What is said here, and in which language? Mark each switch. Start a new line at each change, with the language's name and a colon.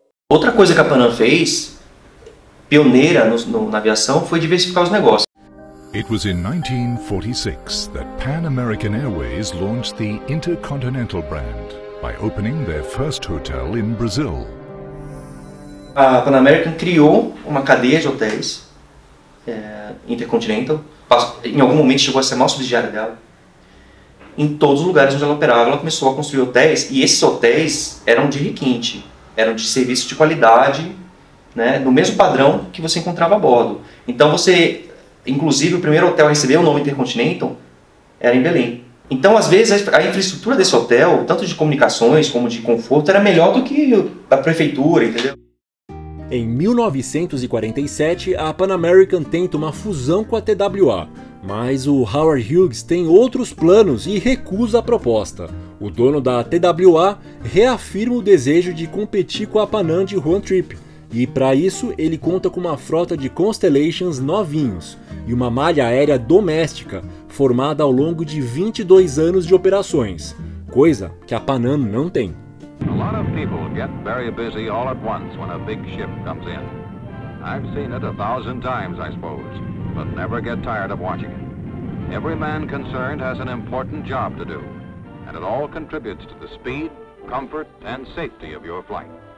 Portuguese: Outra coisa que a Pan Am fez, pioneira na aviação, foi diversificar os negócios.
English: It was in 1946 that Pan American Airways launched the Intercontinental brand by opening their first hotel in Brazil.
Portuguese: A Pan American criou uma cadeia de hotéis Intercontinental, em algum momento chegou a ser a maior subsidiária dela. Em todos os lugares onde ela operava, ela começou a construir hotéis e esses hotéis eram de requinte. Eram de serviço de qualidade, né, no mesmo padrão que você encontrava a bordo. Então você, inclusive, o primeiro hotel a receber o nome Intercontinental era em Belém. Então, às vezes, a infraestrutura desse hotel, tanto de comunicações como de conforto, era melhor do que a prefeitura, entendeu? Em 1947, a Pan American tenta uma fusão com a TWA, mas o Howard Hughes tem outros planos e recusa a proposta. O dono da TWA reafirma o desejo de competir com a Pan Am de Juan Trip, e para isso ele conta com uma frota de Constellations novinhos e uma malha aérea doméstica formada ao longo de 22 anos de operações, coisa que a Pan Am não tem.
English: A lot of people get very busy all at once when a big ship comes in. I've seen it a thousand times, I suppose, but never get tired of watching it. Every man concerned has an important job to do. And it all contributes to the speed, comfort, and safety of your flight.